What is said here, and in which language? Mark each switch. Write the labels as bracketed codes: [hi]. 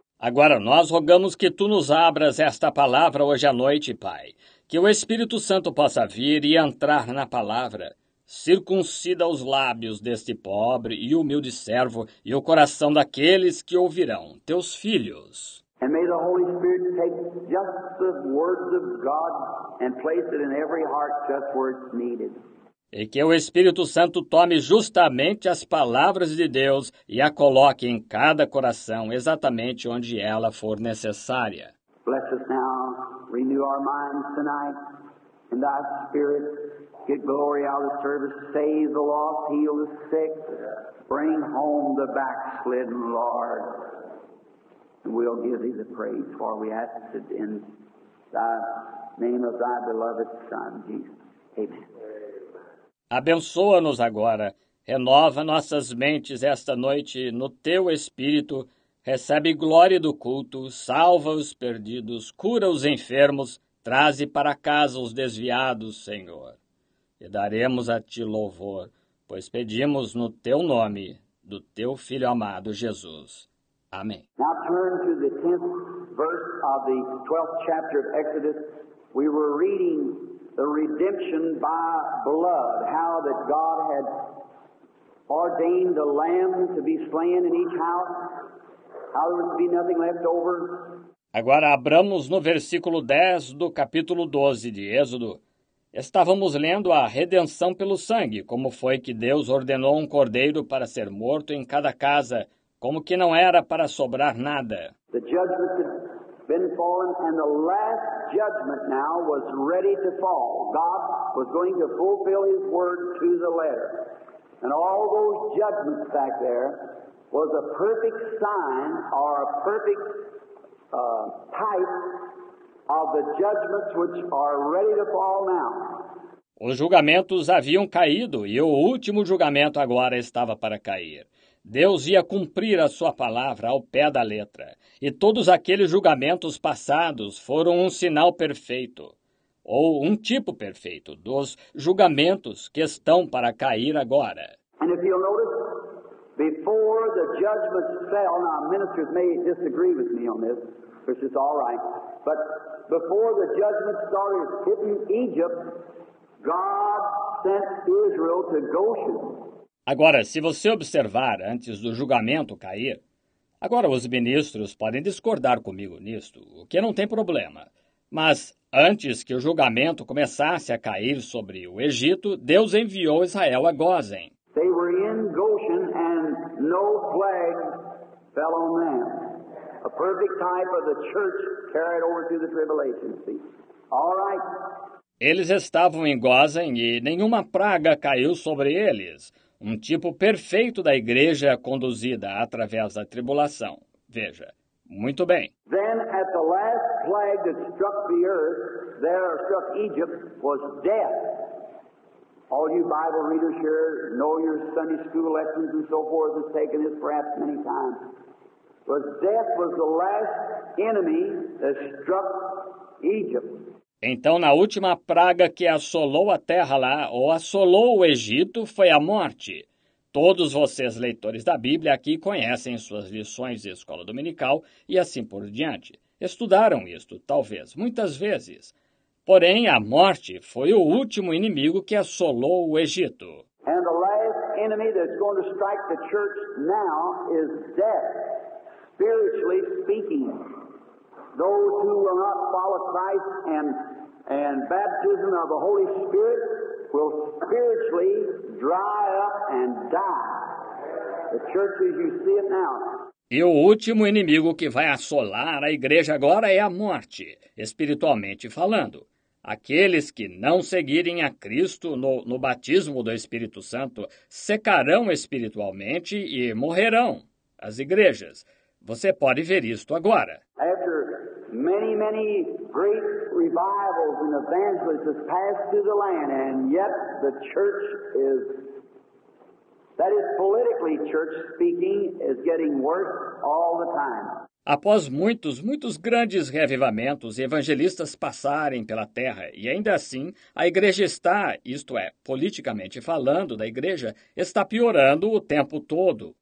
[pt] Agora nós rogamos que tu nos abras esta palavra hoje à noite, Pai, que o Espírito Santo possa vir e entrar na palavra. Circuncida os lábios deste pobre e humilde servo e o coração daqueles que ouvirão, teus filhos. [en] And may the Holy Spirit take just the words of God and place it in every heart just where it's needed. [pt] E que o Espírito Santo tome justamente as palavras de Deus e a coloque em cada coração exatamente onde ela for necessária. [en] Bless us now, renew our minds tonight, in thy spirit, get glory out of the service, save the lost, heal the sick, bring home the backslidden, Lord. And we'll give thee the praise, for we ask it in thy name of thy beloved Son, Jesus. Amen. [pt] Abençoa-nos agora, renova nossas mentes esta noite no Teu Espírito, recebe glória do culto, salva os perdidos, cura os enfermos, traze para casa os desviados, Senhor. E daremos a Ti louvor, pois pedimos no Teu nome, do Teu Filho amado Jesus. Amém. [en] Now turn to the 10th verse of the 12th chapter of Exodus. We were reading the redemption by blood, how that God had ordained a lamb to be slain in each house, how there would be nothing left over. [pt] Agora abramos no versículo 10 do capítulo 12 de Êxodo. Estávamos lendo a redenção pelo sangue, como foi que Deus ordenou um cordeiro para ser morto em cada casa, como que não era para sobrar nada. [en] The judgment had been fallen and the last judgment now was ready to fall. God was going to fulfill his word to the letter. And all those judgments back there was a perfect sign or a perfect type of the judgments which are ready to fall now. [pt] Os julgamentos haviam caído e o último julgamento agora estava para cair. Deus ia cumprir a sua palavra ao pé da letra, e todos aqueles julgamentos passados foram um sinal perfeito, ou um tipo perfeito, dos julgamentos que estão para cair agora. [en] And if you'll notice, before the judgment fell, now ministers may disagree with me on this, which is all right, but before the judgment started hitting Egypt, God sent Israel to Goshen. [pt] Agora, se você observar antes do julgamento cair, agora os ministros podem discordar comigo nisto, o que não tem problema. Mas antes que o julgamento começasse a cair sobre o Egito, Deus enviou Israel a Gósen. [en] They were in Goshen and no plague fell on them. A perfect type of the church carried over to the tribulation. All right. [pt] Eles estavam em Gósen e nenhuma praga caiu sobre eles. Um tipo perfeito da igreja conduzida através da tribulação. Veja, muito bem. [en] Then at the last plague that struck the earth, there struck Egypt, was death. All you Bible readers here know your Sunday school lessons and so forth has taken this perhaps many times. was death was the last enemy that struck Egypt. [pt] Então, na última praga que assolou a terra lá, ou assolou o Egito, foi a morte. Todos vocês, leitores da Bíblia, aqui conhecem suas lições de escola dominical e assim por diante. Estudaram isto, talvez, muitas vezes. Porém, a morte foi o último inimigo que assolou o Egito. [en] And the last enemy that's going to strike the church now is death, spiritually speaking. Those who will not follow Christ and baptism of the Holy Spirit will spiritually dry up and die. The church as you see it now. [pt] E o último inimigo que vai assolar a igreja agora é a morte, espiritualmente falando. Aqueles que não seguirem a Cristo no batismo do Espírito Santo secarão espiritualmente e morrerão. As igrejas. Você pode ver isto agora. [en] After many, many great revivals and evangelists have passed through the land, and yet the church is, that is politically church speaking, is getting worse all the time. [pt] Após muitos, muitos grandes reavivamentos e evangelistas passarem pela terra, e ainda assim, a igreja está, isto é, politicamente falando da igreja, está piorando o tempo todo.